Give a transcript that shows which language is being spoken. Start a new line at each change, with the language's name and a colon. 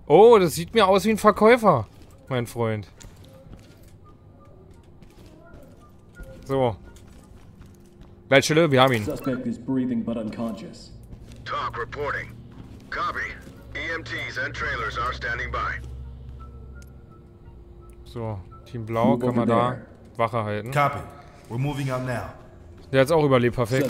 German: Oh, das sieht mir aus wie ein Verkäufer, mein Freund. So, Bachelor, wir haben ihn.
English: Suspect is breathing but unconscious. Talk reporting. Copy. EMTs and trailers are standing by.
German: So, Team Blau, kann man da Wache halten.
English: Copy. We're moving out now.
German: Der hat's auch überlebt, perfekt.